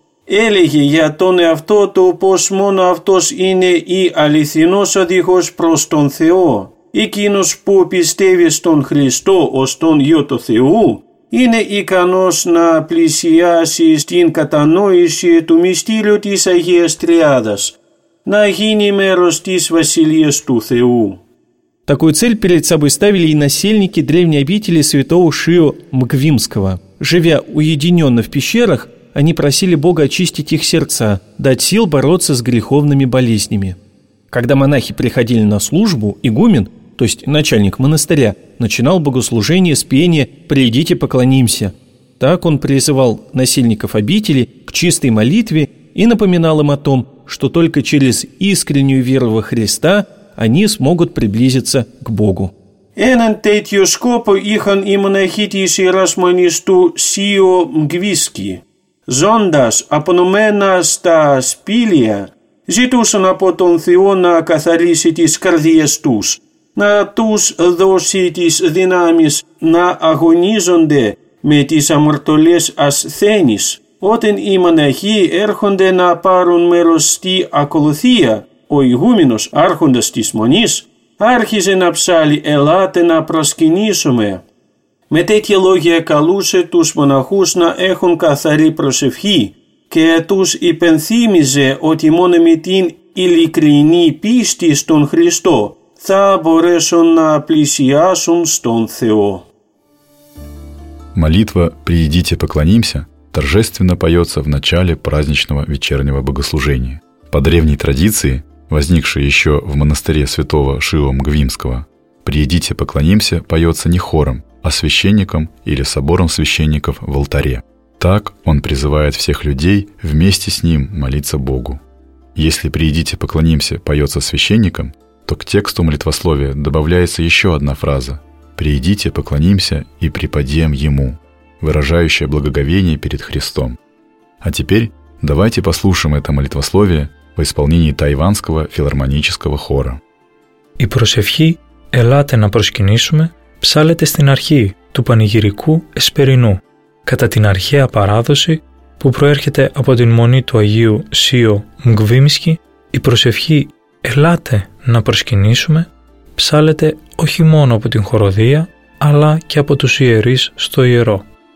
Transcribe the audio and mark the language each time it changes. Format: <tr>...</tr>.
<el>Έλεγε για τον εαυτό του πως μόνο αυτός είναι η αληθινός οδηγός προς τον Θεό. Εκείνος που πιστεύει στον Χριστό ως τον Υιό του Θεού είναι ικανός να πλησιάσει στην κατανόηση του μυστήριου της Αγίας Τριάδας, να γίνει μέρος της Βασιλείας του Θεού.</el> <ru>Такую цель перед собой ставили и насельники древней обители святого Шио Мгвимского. Живя уединенно в пещерах, они просили Бога очистить их сердца, дать сил бороться с греховными болезнями. Когда монахи приходили на службу, игумен, то есть начальник монастыря, начинал богослужение с пения «Придите, поклонимся». Так он призывал насельников обители к чистой молитве и напоминал им о том, что только через искреннюю веру во Христа они смогут приблизиться к Богу.</ru> <el>Έναν τέτοιο σκόπο είχαν οι μοναχοί της Ιερασμονιστού Σίο Μγκβίσκι. Ζώντας απονομένα στα σπήλια, ζητούσαν από τον Θεό να καθαρίσει τις καρδίες τους, να τους δώσει τις δυνάμεις να αγωνίζονται με τις αμαρτωλές ασθένειες. Όταν οι μοναχοί έρχονται να πάρουν μέρος στη ακολουθία, ο ηγούμενος άρχοντας της μονής άρχιζε να ψάλει «Ελάτε να προσκυνήσουμε». Με τέτοια λόγια καλούσε τους μοναχούς να έχουν καθαρή προσευχή και τους υπενθύμιζε ότι μόνο με την ειλικρινή πίστη στον Χριστό θα μπορέσουν να πλησιάσουν στον Θεό.</el> <ru>Молитва «Приидите, поклонимся» торжественно поется в начале праздничного вечернего богослужения. По древней традиции, возникшей еще в монастыре святого Шио Мгвимского, «Приидите, поклонимся» поется не хором, а священником или собором священников в алтаре. Так он призывает всех людей вместе с ним молиться Богу. Если «Приидите, поклонимся» поется священником, то к тексту молитвословия добавляется еще одна фраза «Приидите, поклонимся и преподаем Ему», выражающее благоговение перед Христом. А теперь давайте послушаем это молитвословие в исполнении Тайванского филармонического хора.</ru> <el>«И просевхи, элате на прошкинишуме, псалете στην архи του πανηγυρικού εσπερινού, κατά την αρχαία παράδοση που προέρχεται από την μονή του Αγίου Σίο Μγκβίμισκι, η προσευχή «Ελάτε να προσκυνήσουμε» ψάλεται όχι μόνο από την χοροδία, αλλά και από τους ιερείς στο ιερό.</el>